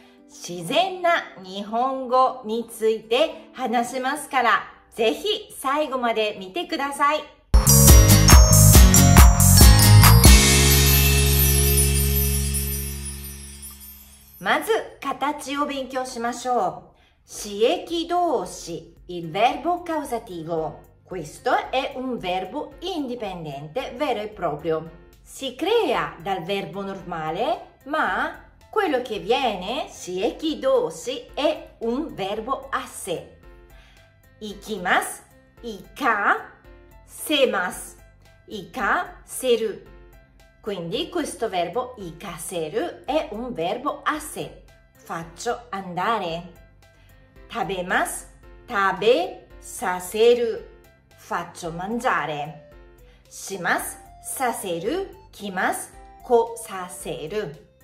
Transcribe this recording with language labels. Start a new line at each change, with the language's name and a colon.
Japanese: 自然な日本語について話しますから、ぜひ最後まで見てください。まず形を勉強しましょう。
Italian: 刺激動詞 il verbo causativo。 Questo è un verbo indipendente vero e proprio. Si crea dal verbo normale, ma quello che viene 刺激動詞 è un verbo a sé.
Japanese: 行きます、行かせます、行かせる。
Italian: Quindi questo verbo ikaseru è un verbo a sé. Faccio andare.
Japanese: Tabemasu, tabe saseru.
Italian: Faccio mangiare.
Japanese: Shimasu, saseru, kimasu, ko saseru.